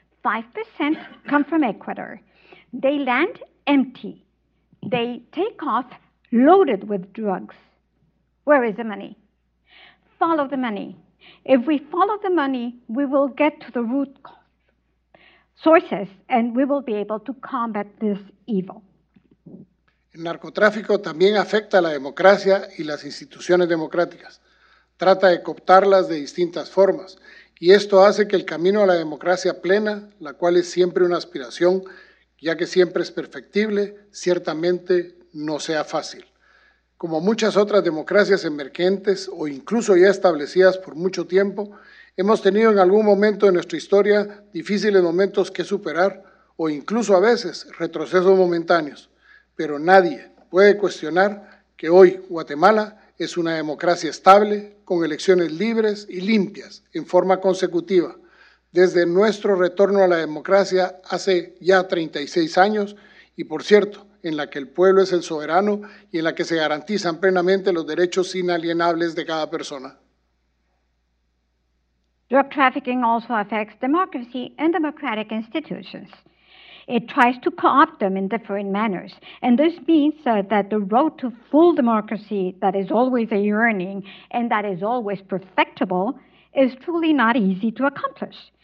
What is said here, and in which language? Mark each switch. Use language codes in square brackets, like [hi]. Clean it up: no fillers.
[en] 5% come from Ecuador. They land empty. They take off loaded with drugs. Where is the money? Follow the money. If we follow the money, we will get to the root sources and we will be able to combat this evil. [es] El narcotráfico también afecta a la democracia y las instituciones democráticas. Trata de cooptarlas de distintas formas, y esto hace que el camino a la democracia plena, la cual es siempre una aspiración, ya que siempre es perfectible, ciertamente no sea fácil. Como muchas otras democracias emergentes o incluso ya establecidas por mucho tiempo, hemos tenido en algún momento de nuestra historia difíciles momentos que superar o incluso a veces retrocesos momentáneos. Pero nadie puede cuestionar que hoy Guatemala es una democracia estable, con elecciones libres y limpias en forma consecutiva, desde nuestro retorno a la democracia hace ya 36 años y, por cierto, en la que el pueblo es el soberano y en la que se garantizan plenamente los derechos inalienables de cada persona. [en] Drug trafficking also affects democracy and democratic institutions. It tries to co-opt them in different manners. And this means that the road to full democracy that is always a yearning and that is always perfectible is truly not easy to accomplish.